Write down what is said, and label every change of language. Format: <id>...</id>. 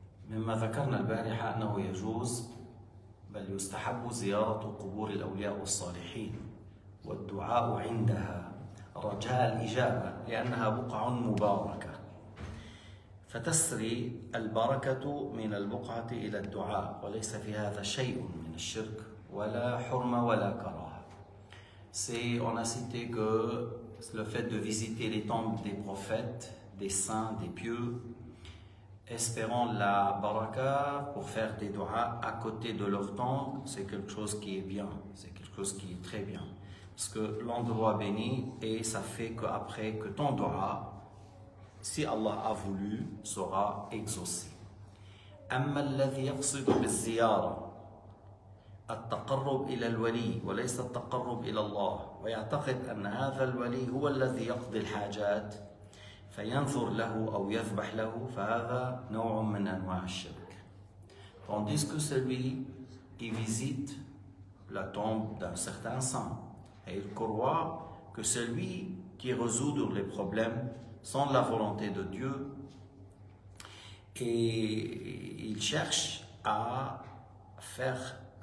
<ar>مما ذكرنا البارحة أنه يجوز بل يستحب زيارة قبور الأولياء والصالحين والدعاء عندها رجاء الإجابة، لأنها بقع مباركة فتسري البركة من البقعة إلى الدعاء، وليس في هذا شيء من الشرك ولا حرمة ولا كراهة.</ar> <fr>On a cité que le fait de visiter les tombes des prophètes, des saints, des pieux, espérant la baraka pour faire des dua à côté de leur tombe, c'est quelque chose qui est bien, c'est quelque chose qui est très bien. Parce que l'endroit béni, et ça fait qu'après que ton dua, si Allah a voulu, sera exaucé.</fr> <ar>أما الذي يقصد بالزيارة التقرب إلى الولي وليس التقرب إلى الله، ويعتقد أن هذا الولي هو الذي يقضي الحاجات فينذر له أو يذبح له، فهذا نوع من أنواع الشرك.</ar> <fr>Tandis que celui qui visite la tombe d'un certain saint, et il croit que celui qui résout les problèmes sans la volonté de Dieu, et il cherche à faire</fr>